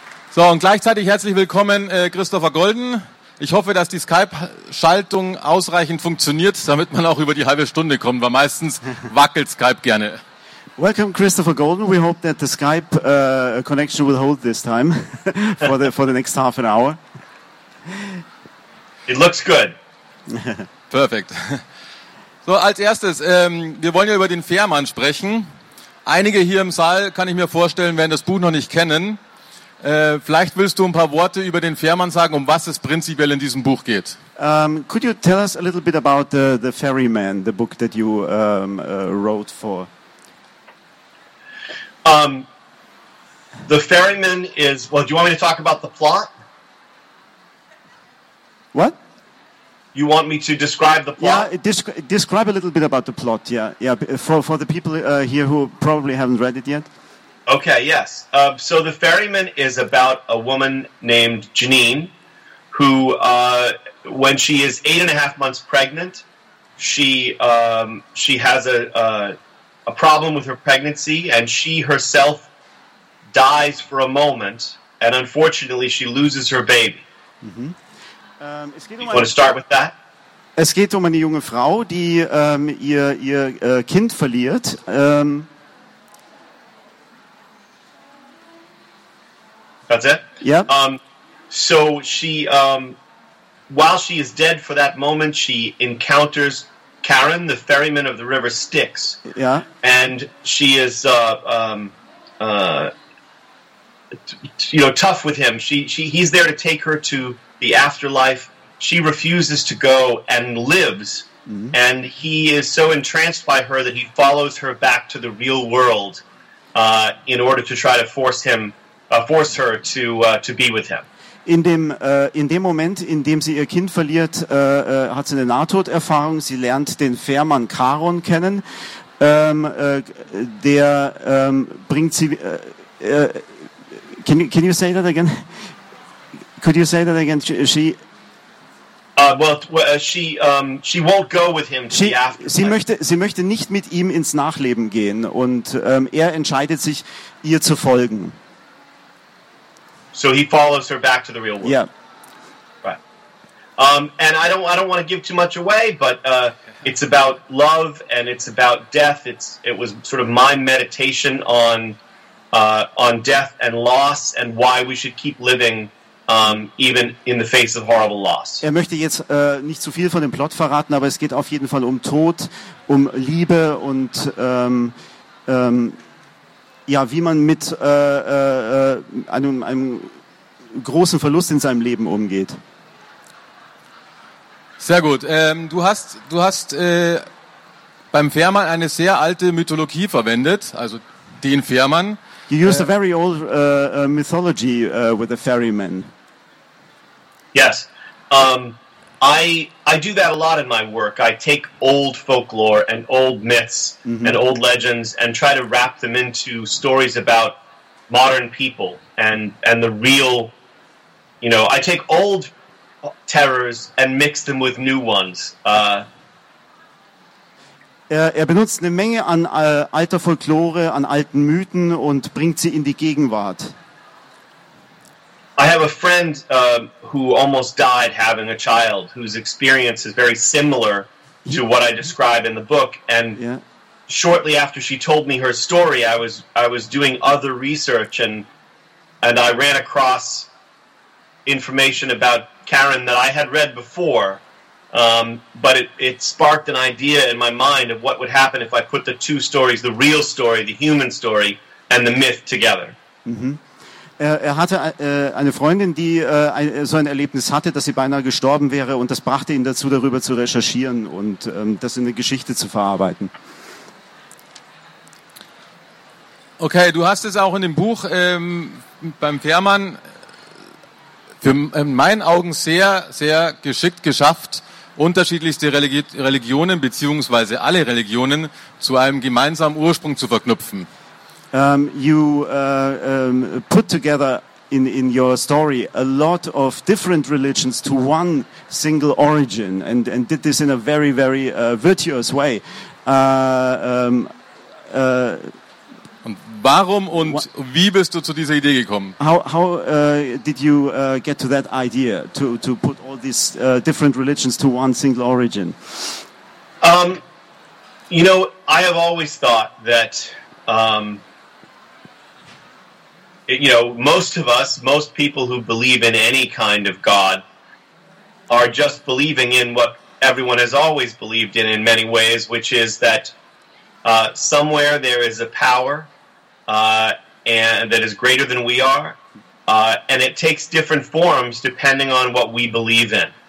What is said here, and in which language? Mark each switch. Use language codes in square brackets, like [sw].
[de] So, und gleichzeitig herzlich willkommen, Christopher Golden. Ich hoffe, dass die Skype-Schaltung ausreichend funktioniert, damit man auch über die halbe Stunde kommt, weil meistens wackelt Skype gerne. [en] Welcome, Christopher Golden. We hope that the Skype connection will hold this time for the next half an hour. It looks good. Perfect. [de] So, als erstes, wir wollen ja über den Fährmann sprechen. Einige hier im Saal, kann ich mir vorstellen, werden das Buch noch nicht kennen. Vielleicht willst du ein paar Worte über den Fährmann sagen, um was es prinzipiell in diesem Buch geht. [en] Could you tell us a little bit about the Ferryman, the book that you wrote for? The Ferryman is, well, do you want me to talk about the plot? What? You want me to describe the plot? Yeah, describe a little bit about the plot, yeah, for the people here who probably haven't read it yet. Okay, yes. So The Ferryman is about a woman named Janine, who, when she is 8.5 months pregnant, she has a problem with her pregnancy, and she herself dies for a moment, and unfortunately she loses her baby. Mm-hmm. You want to start with that? [de] Es geht um eine junge Frau, die ihr Kind verliert. [en] That's it? Yeah. So she, while she is dead for that moment, she encounters Karen, the ferryman of the River Styx. Yeah. And she is, tough with him. He's there to take her to the afterlife. She refuses to go and lives. Mm-hmm. And he is so entranced by her that he follows her back to the real world in order to try to force her to be with him. [de] In dem Moment, in dem sie ihr Kind verliert, hat sie eine Nahtoderfahrung. Sie lernt den Fährmann Charon kennen. Der bringt sie. [en] Can you say that again? Could you say that again? She won't go with him to the afterlife. [de] Sie möchte nicht mit ihm ins Nachleben gehen und er entscheidet sich, ihr zu folgen. [en] So he follows her back to the real world. Yeah. Right. And I don't want to give too much away, but it's about love and it's about death. It was sort of my meditation on death and loss and why we should keep living even in the face of horrible loss. [de] Er möchte jetzt nicht zu viel von dem Plot verraten, aber es geht auf jeden Fall um Tod, um Liebe und ja, wie man mit einem großen Verlust in seinem Leben umgeht. Sehr gut. Du hast beim Fährmann eine sehr alte Mythologie verwendet, also den Fährmann. [en] You used a very old mythology with the ferryman. Yes. I do that a lot in my work. I take old folklore and old myths, mm-hmm. and old legends and try to wrap them into stories about modern people and the real, you know, I take old terrors and mix them with new ones. [de] Er benutzt eine Menge an alter Folklore, an alten Mythen und bringt sie in die Gegenwart. [en] I have a friend who almost died having a child, whose experience is very similar to what I describe in the book. And yeah. Shortly after she told me her story, I was doing other research, and I ran across information about Karen that I had read before, but it sparked an idea in my mind of what would happen if I put the two stories, the real story, the human story, and the myth together. Mm-hmm. [de] Er hatte eine Freundin, die so ein Erlebnis hatte, dass sie beinahe gestorben wäre, und das brachte ihn dazu, darüber zu recherchieren und das in eine Geschichte zu verarbeiten. Okay, du hast es auch in dem Buch beim Fährmann für in meinen Augen sehr, sehr geschickt geschafft, unterschiedlichste Religionen bzw. alle Religionen zu einem gemeinsamen Ursprung zu verknüpfen. [en] You put together in your story a lot of different religions to one single origin and did this in a very, very virtuous way. [de] Und warum und wie bist du zu dieser Idee gekommen? [en] How did you get to that idea to put all these different religions to one single origin? You know, I have always thought that you know, most people who believe in any kind of God are just believing in what everyone has always believed in many ways, which is that somewhere there is a power and that is greater than we are, and it takes different forms depending on what we believe in.